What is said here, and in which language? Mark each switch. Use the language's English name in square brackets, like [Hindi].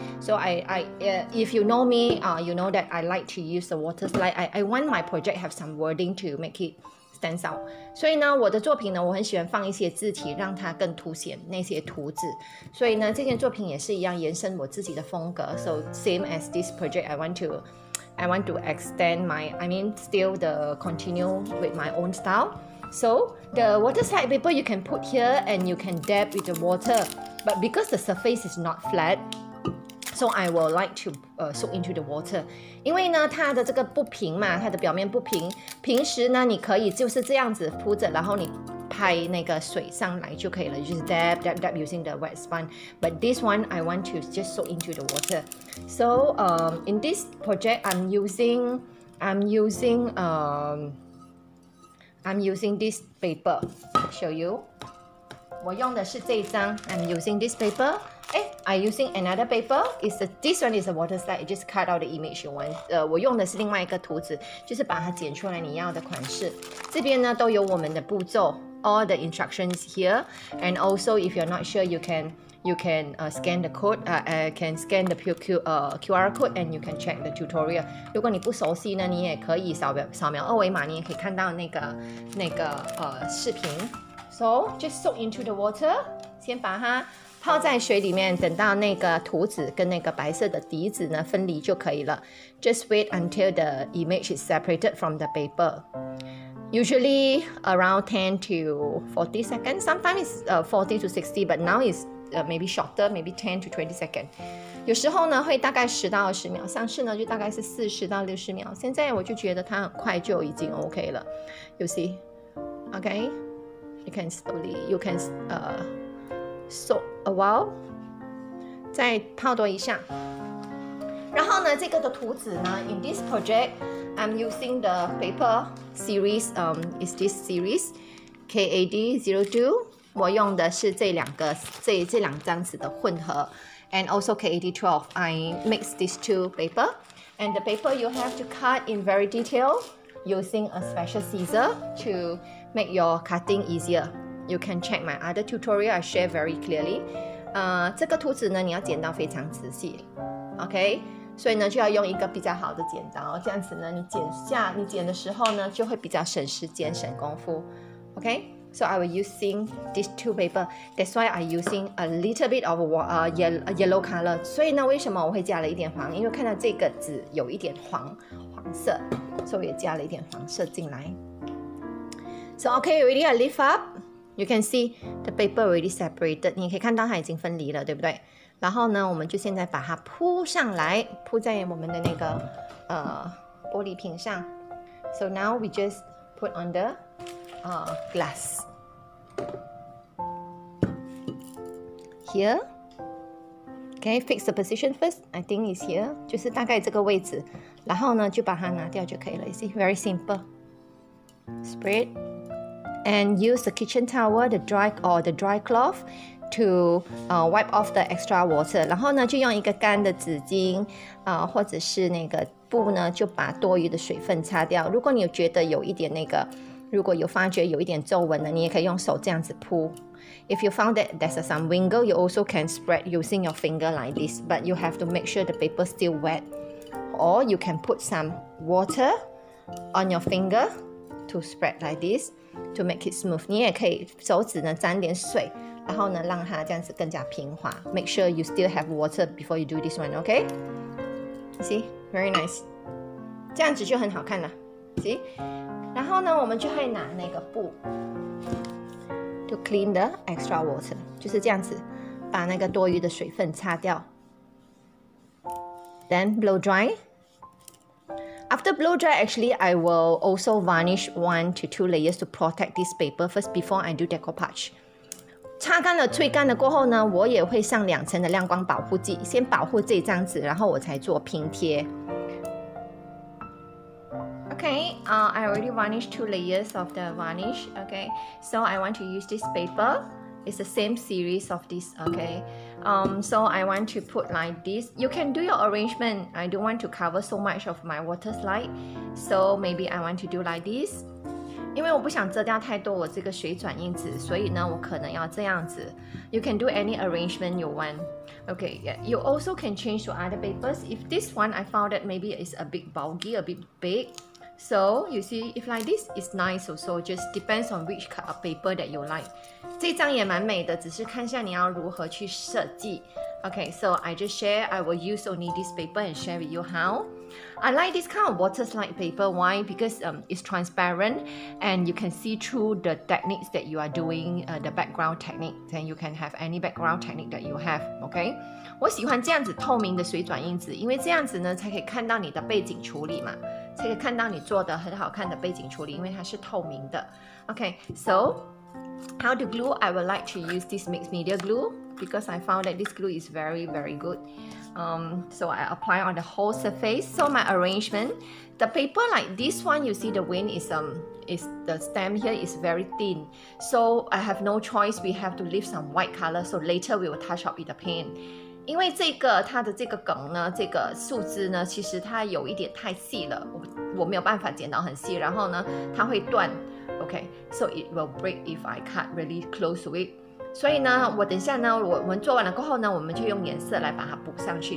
[English] So if you know me, you know that I like to use the water slide. I want my project have some wording to make it stand out. [Chinese] 所以呢，我的作品呢，我很喜欢放一些字体，让它更凸显那些图纸。所以呢，这件作品也是一样延伸我自己的风格。 [English] So same as this project, I want to extend my, still the continue with my own style. So the water slide paper you can put here and you can dab with the water. But because the surface is not flat, so I will like to soak into the water. [Chinese] 因为呢它的这个不平嘛，它的表面不平，平时呢你可以就是这样子铺着，然后你拍那个水上来就可以了，就是 [English] dab using the wet sponge. But this one I want to just soak into the water. So in this project I'm using this paper. Show you. [Chinese] 我用的是这一张。 [English] I'm using this paper. I'm using another paper. This one is a water slide. It just cut out the image you want. [Chinese] 我用的是另外一个图纸，就是把它剪出来你要的款式。这边呢都有我们的步骤。 [English] All the instructions here, and also if you're not sure, you can scan the code, can scan the QR code, and you can check the tutorial. [Chinese] 如果你不熟悉呢，你也可以扫描二维码，你也可以看到那个视频。 [English] So just soak into the water, [Chinese] 先把它泡在水里面，等到那个图纸跟那个白色的底纸呢分离就可以了。 [English] Just wait until the image is separated from the paper. Usually around 10 to 40 seconds. Sometimes it's 40 to 60, but now it's maybe shorter, maybe 10 to 20 seconds. [Chinese] 有时候呢会大概10到20秒，上次呢就大概是40到60秒。现在我就觉得它很快就已经 OK 了。 [English] You see? Okay? You can soak a while. [Chinese] 再泡多一下。然后呢这个的图纸呢 [English] in this project,I'm using the paper series, is this series, KAD02. [Chinese] 我用的是这两个，这两张纸的混合。 [English] And also KAD12, I mix these two paper. And the paper you have to cut in very detail using a special scissor to make your cutting easier. You can check my other tutorial, I share very clearly. [Chinese] 这个图纸呢，你要剪到非常仔细，okay? 所以呢就要用一个比较好的剪刀，这样子呢你剪的时候呢就会比较省时间省功夫。 [English] OK, so I will using these two paper, that's why I using a little bit of yellow color. [Chinese] 所以呢为什么我会加了一点黄，因为看到这个纸有一点黄色，所以也加了一点黄色进来。 [English] So OK, ready, I lift up. You can see the paper already separated. [Chinese] 你可以看到它已经分离了，对不对？然后呢我们就现在把它铺上来，铺在我们的那个玻璃瓶上。 [English] So now we just put on the glass. Here. Okay, fix the position first. I think it's here. [Chinese] 就是大概这个位置，然后呢就把它拿掉就可以了。 [English] You see, very simple. Spread. And use the kitchen towel, the dry cloth. To wipe off the extra water. [Chinese] 然后呢就用一个干的纸巾或者是那个布呢就把多余的水分擦掉。如果你觉得有一点那个，如果有发觉有一点皱纹呢，你也可以用手这样子铺。 [English] If you found that there's some wrinkle, you also can spread using your finger like this, but you have to make sure the paper still wet, or you can put some water on your finger to spread like this to make it smooth. [Chinese] 你也可以手指呢沾点水，然后呢让它这样子更加平滑。 [English] Make sure you still have water before you do this one, okay? See? Very nice. [Chinese] 这样子就很好看了。 [English] See? [Chinese] 然后呢我们就会拿那个布 [English] to clean the extra water. [Chinese] 就是这样子把那个多余的水分擦掉。 [English] Then blow dry. After blow dry, actually, I will also varnish 1 to 2 layers to protect this paper first before I do decoupage. [Chinese] 擦干了吹干了过后呢，我也会上两层的亮光保护剂，先保护这张纸，然后我才做拼贴。 [English] Okay, I already varnished 2 layers of the varnish. Okay, so I want to use this paper. It's the same series of this. Okay, so I want to put like this. You can do your arrangement. I don't want to cover so much of my water slide, so maybe I want to do like this. [Chinese] 因为我不想遮掉太多我这个水转印纸，所以呢我可能要这样子。 [English] You can do any arrangement you want. Okay, yeah. You also can change to other papers. If this one I found that maybe it's a bit bulky, a bit big. So you see, if like this is nice also, just depends on which kind of paper that you like. [Chinese] 这张也蛮美的，只是看一下你要如何去设计。 [English] Okay, so I just share, I will use only this paper and share with you howI like this kind of water slide paper. Why? Because it's transparent and you can see through the techniques that you are doing, the background technique. Then you can have any background technique that you have. Okay? [Chinese] 我喜欢这样子透明的水转印纸，因为这样子呢才可以看到你的背景处理嘛，才可以看到你做的很好看的背景处理，因为它是透明的。 [English] Okay, so how to glue? I would like to use this mixed media glue because I found that this glue is very, very good. So I apply on the whole surface. So my arrangement, the paper like this one, you see the wing is the stem here is very thin. So I have no choice. We have to leave some white color. So later we will touch up with the paint. [Chinese] 因为这个它的这个梗呢，这个树枝呢，其实它有一点太细了，我没有办法剪到很细，然后呢它会断。 [English] Okay, so it will break if I cut really close to it. [Chinese] 所以呢我等下呢我们做完了过后呢我们就用颜色来把它补上去。